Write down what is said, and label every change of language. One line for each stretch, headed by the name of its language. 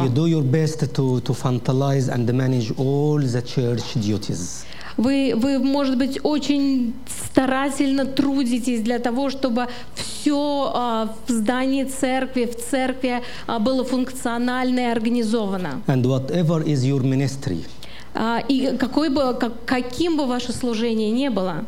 English: You do your best to fantasize and manage all the church duties.
Russian: Вы, может быть, очень старательно трудитесь для того, чтобы все в здании церкви, в церкви было функционально и организовано.
English: And whatever is your ministry.
Russian: И каким бы ваше служение ни было,